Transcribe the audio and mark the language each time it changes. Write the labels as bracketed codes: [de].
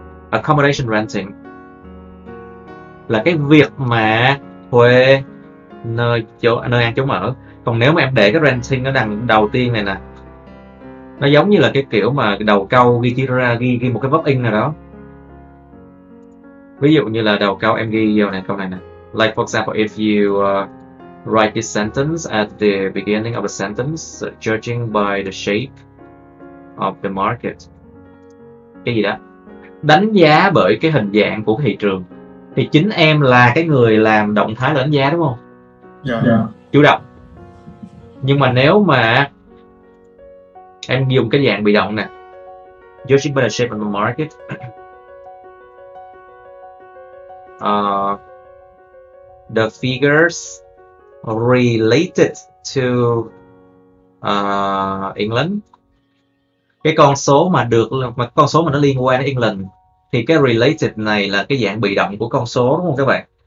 [vi] Accommodation renting là cái việc mà thuê nơi ăn chỗ ở. Còn nếu mà em để cái renting ở đằng đầu tiên này nè, nó giống như là cái kiểu mà đầu câu ghi chữ ra, ghi một cái verb in nào đó. Ví dụ như là đầu câu em ghi vô này, câu này nè. [en] Like for example, if you write this sentence at the beginning of a sentence, judging by the shape of the market. [vi] Cái gì đó? Đánh giá bởi cái hình dạng của thị trường. Thì chính em là cái người làm động thái đánh giá, đúng không? Dạ. Chủ động. Nhưng mà nếu mà em dùng cái dạng bị động nè, [en] judging by the shape of the market, the figures related to England, [vi] cái con số mà được, mà con số mà nó liên quan đến England, thì cái related này là cái dạng bị động của con số, đúng không các bạn?